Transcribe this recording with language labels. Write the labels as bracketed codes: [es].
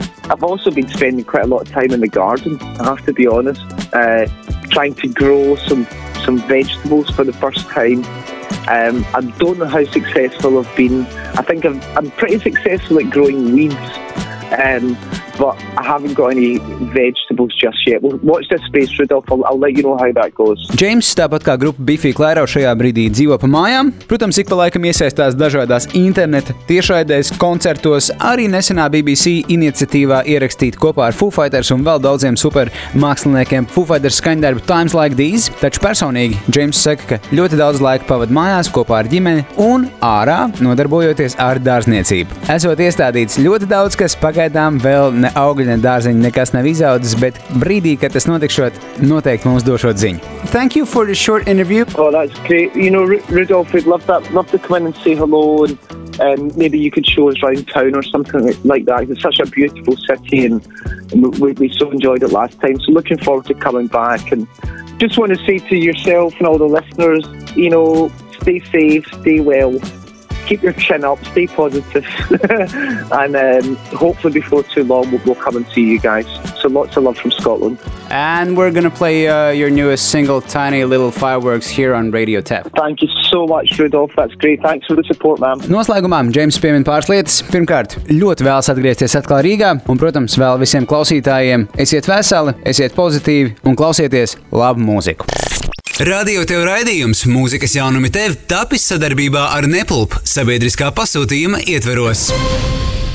[en] I've also been spending quite a lot of time in the garden, I have to be honest, trying to grow some vegetables for the first time. I don't know how successful I've been. I think I'm pretty successful at growing weeds, but I haven't got any vegetables just yet. Watch this space, Rudolph. I'll let you know how that goes. [lv] James, tāpat kā grupa Biffy Clairo, šajā brīdī dzīvo pa mājām. Protams, ik pa laikam iesaistās dažādās interneta tiešraidēs, koncertos, arī nesenā BBC iniciatīvā ierakstīt kopā ar Foo Fighters un vēl daudziem super māksliniekiem Foo Fighters skaņdarbu Times Like These. Taču personīgi James saka, ka ļoti daudz laika pavad mājās kopā ar ģimeni un ārā nodarbojoties ar dārzniecību. Esot iestādīts ļoti daudz, kas pagaidām vēl ne augļi, ne dārziņi, nekas nav izaudzis, bet brīdī, kad tas notikšot, noteikti mums došot ziņu. [en] Thank you for the short interview. Oh, that's great. You know, Rudolph, we'd love that. Love to come in and say hello, and maybe you could show us around town or something like that. It's such a beautiful city, and we so enjoyed it last time. So looking forward to coming back, and just want to say to yourself and all the listeners, you know, stay safe, stay well. Keep your chin up, stay positive, and hopefully before too long we'll come and see you guys. So lots of love from Scotland. And we're going to play your newest single, Tiny Little Fireworks, here on Radio Tap. Thank you so much, Rudolph. That's great. Thanks for the support, man. [lv] Noslēgumā James piemin pāris lietas. Pirmkārt, ļoti vēlas atgriezties atkal Rīgā, un, protams, vēl visiem klausītājiem. Esiet veseli, esiet pozitīvi, un klausieties labu mūziku. Radio tev raidījums, mūzikas jaunumi tev, tapis sadarbībā ar Neplup, sabiedriskā pasūtījuma ietveros.